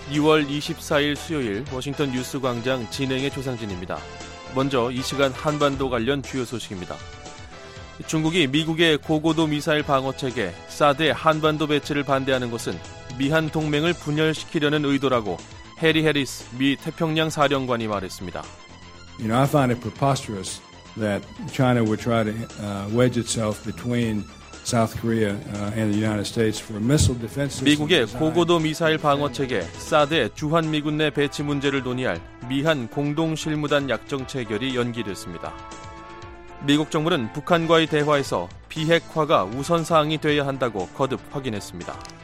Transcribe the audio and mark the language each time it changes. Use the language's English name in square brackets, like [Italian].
[Korean] 2월 24일 수요일 워싱턴 뉴스 광장 진행의 조상진입니다. 먼저 이 시간 한반도 관련 주요 소식입니다. 중국이 미국의 고고도 미사일 방어체계 사드의 한반도 배치를 반대하는 것은 미한 동맹을 분열시키려는 의도라고 해리 해리스 미 태평양 사령관이 말했습니다. [English] You know, I find it preposterous that China would try to wedge itself between South Korea and the United States for missile defense. [Korean] 미국의 고고도 미사일 방어 체계 사드의 주한 미군 내 배치 문제를 논의할 미한 공동 실무단 약정 체결이 연기됐습니다. 미국 정부는 북한과의 대화에서 비핵화가 우선 사항이 되어야 한다고 거듭 확인했습니다.